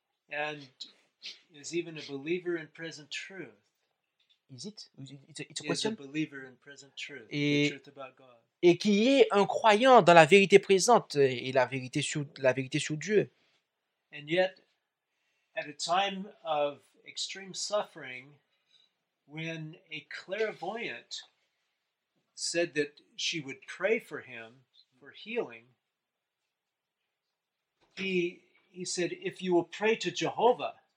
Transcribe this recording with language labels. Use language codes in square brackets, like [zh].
[en] And is even a believer in present truth. Is it? It's a question. Is a believer in present truth, et, the truth about God. [fr] Et qui est un croyant dans la vérité présente et la vérité sur Dieu. [en] And yet, at a time of extreme suffering, when a clairvoyant said that she would pray for him for healing, he said, "If you will pray to Jehovah."